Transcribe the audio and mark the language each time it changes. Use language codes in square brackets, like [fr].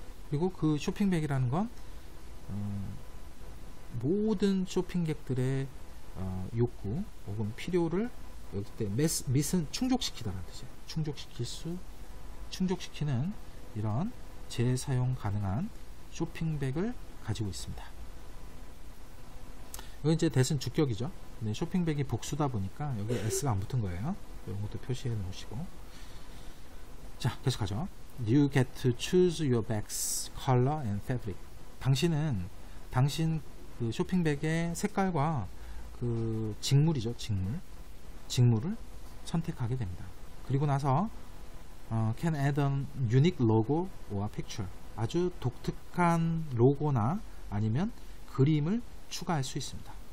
[ko] 그리고 그 쇼핑백이라는 건 모든 쇼핑객들의 욕구 혹은 필요를 여기 때 미스는 충족시키다라는 뜻이에요. 충족시키는 이런 재사용 가능한 쇼핑백을 가지고 있습니다. 이건 이제 대신 주격이죠. 근데 쇼핑백이 복수다 보니까 여기 S가 안 붙은 거예요. 이런 것도 표시해 놓으시고. 자, 계속하죠. [en] You get to choose your bag's color and fabric. [ko] 당신 그 쇼핑백의 색깔과 그 직물이죠. 직물을 선택하게 됩니다. 그리고 나서 [en] can add a unique logo or picture. [ko] 아주 독특한 로고나 아니면 그림을 추가할 수 있습니다.